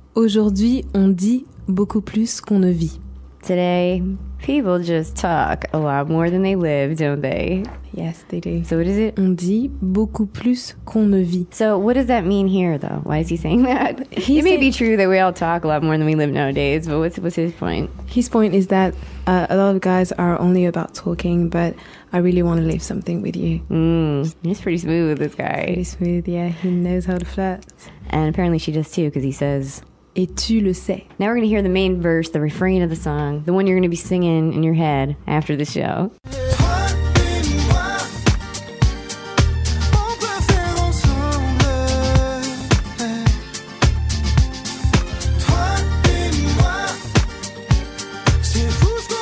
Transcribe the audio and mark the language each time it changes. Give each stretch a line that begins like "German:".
French: Aujourd'hui, on dit beaucoup plus qu'on ne vit.
English: Today, people just talk a lot more than they live, don't they? Yes, they do. So what is it?
French: On dit beaucoup plus qu'on ne vit.
English: So what does that mean here, though? Why is he saying that? It may be true that we all talk a lot more than we live nowadays, but what's his point? His point is that a lot of guys are only about talking, but I really want to leave something with you. He's pretty smooth, this guy. Pretty smooth, yeah. He knows how to flirt. And apparently she does too, because he says...
French: Et tu le sais.
English: Now we're going to hear the main verse, the refrain of the song, the one you're going to be singing in your head after the show.
French: Toi et moi, on peut faire ensemble. Toi et moi, c'est fou.